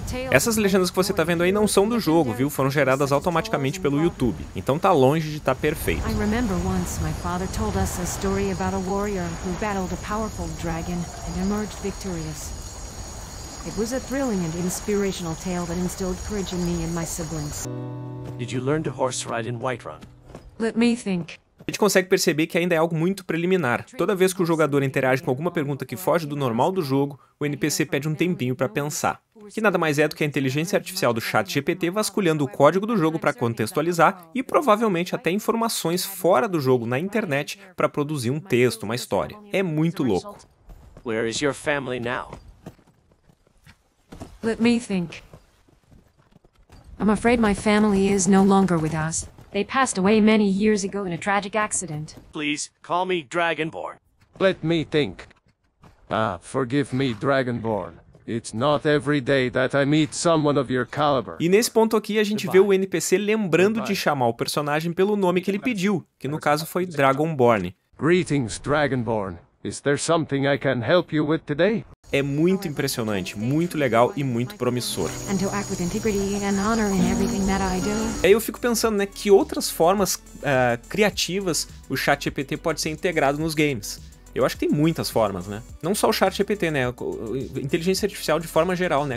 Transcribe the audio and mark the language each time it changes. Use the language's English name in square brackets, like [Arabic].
[Portuguese] Essas legendas que você tá vendo aí não são do jogo, viu? Foram geradas automaticamente pelo YouTube. Então tá longe de estar perfeito. Eu lembro uma vez que meu pai nos contou uma história sobre um guerreiro que batalhou um poderoso dragão e emergiu vitorioso. Foi uma [English] thrilling [Portuguese] e [English] inspirational tale [Portuguese] que instilou coragem em mim e meus irmãos. [English] Did you learn to horse ride in Whiterun? Let me think. [Portuguese] A gente consegue perceber que ainda é algo muito preliminar. Toda vez que o jogador interage com alguma pergunta que foge do normal do jogo, o NPC pede um tempinho para pensar. Que nada mais é do que a inteligência artificial do ChatGPT vasculhando o código do jogo para contextualizar e provavelmente até informações fora do jogo na internet para produzir um texto, uma história. É muito louco. [English] Where is your family now? Let me think. I'm afraid my family is no longer with us. They passed away many years ago in a tragic accident. Please call me Dragonborn. Let me think. Ah, forgive me, Dragonborn. It's not every day that I meet someone of your caliber. [Portuguese] E nesse ponto aqui a gente vê o NPC lembrando de chamar o personagem pelo nome que ele pediu, que no caso foi Dragonborn. [English] Greetings, Dragonborn. Is there something I can help you with today? [Portuguese] É muito impressionante, muito legal e muito promissor. E aí eu fico pensando, né, que outras formas criativas o ChatGPT pode ser integrado nos games. Eu acho que tem muitas formas, né? Não só o ChatGPT, né? Inteligência artificial de forma geral, né?